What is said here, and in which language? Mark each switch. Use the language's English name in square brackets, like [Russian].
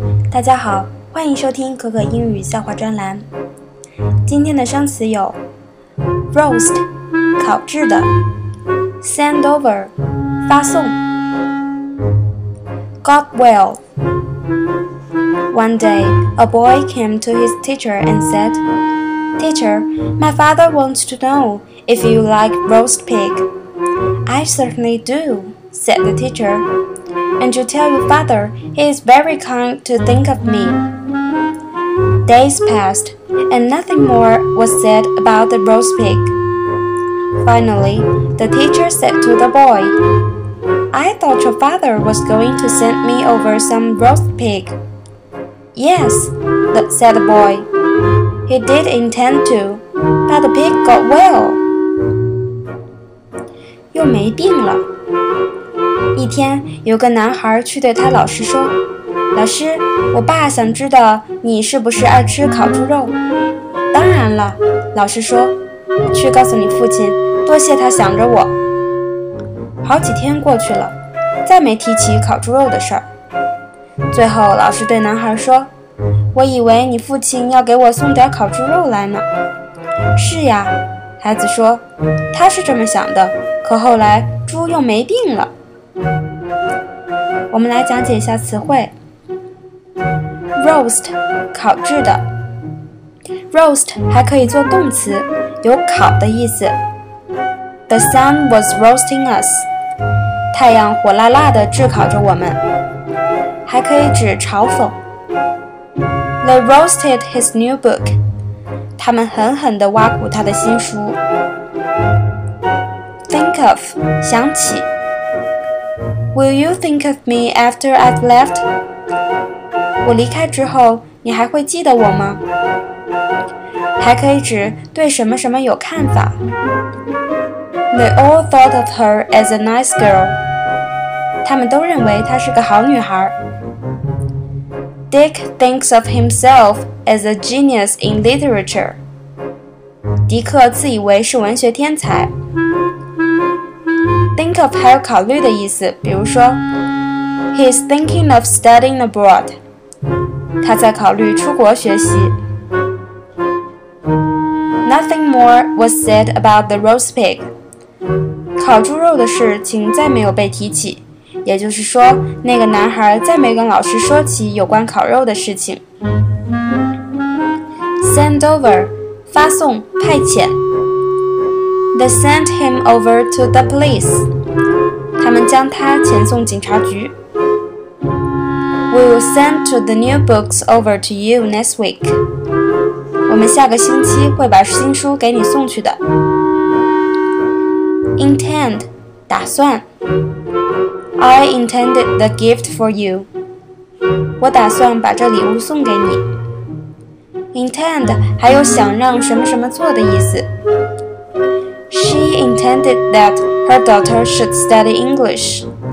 [Chinese] 大家好，欢迎收听可可英语笑话专栏。今天的生词有 roast 烤制的 send over 发送 got well. [English] One day, a boy came to his teacher and said, "Teacher, my father wants to know if you like roast pig." "I certainly do," said the teacher. And you tell your father he is very kind to think of me. Days passed, and nothing more was said about the roast pig. Finally, the teacher said to the boy, "I thought your father was going to send me over some roast pig." "Yes," said the boy. "He did intend to, but the pig got well." [Chinese] 又没病了。一天，有个男孩去对他老师说，老师，我爸想知道你是不是爱吃烤猪肉。当然了，老师说，去告诉你父亲，多谢他想着我。好几天过去了，再没提起烤猪肉的事儿。最后，老师对男孩说，我以为你父亲要给我送点烤猪肉来呢。是呀，孩子说，他是这么想的，可后来猪又没病了。我们来讲解一下词汇 Roast 烤制的 Roast 还可以做动词有烤的意思 [English] The sun was roasting us [Chinese] 太阳火辣辣地炙烤着我们还可以指嘲讽 [English] They roasted his new book [Chinese] 他们狠狠地挖苦他的新书 [English] Think of [Chinese] 想起 [English] Will you think of me after I've left? [Chinese] 我离开之后，你还会记得我吗？还可以指对什么什么有看法。 [English] They all thought of her as a nice girl. [Chinese] 他们都认为她是个好女孩。 [English] Dick thinks of himself as a genius in literature. [Chinese] 迪克自以为是文学天才。 Think of 还有考虑的意思，比如说 [English] He is thinking of studying abroad. [Chinese] 他在考虑出国学习。 [English] Nothing more was said about the roast pig. [Chinese] 烤猪肉的事情再没有被提起，也就是说，那个男孩再没跟老师说起有关烤肉的事情。 Send over, 发送，派遣。 [English] They sent him over to the police. [Chinese] 他们将他遣送警察局。 [English] We will send to the new books over to you next week. [Chinese] 我们下个星期会把新书给你送去的。 [English] Intend, [Chinese] 打算。 [English] I intended the gift for you. [Chinese] 我打算把这礼物送给你。 Intend 还有想让什么什么做的意思。 [English] She intended that her daughter should study English.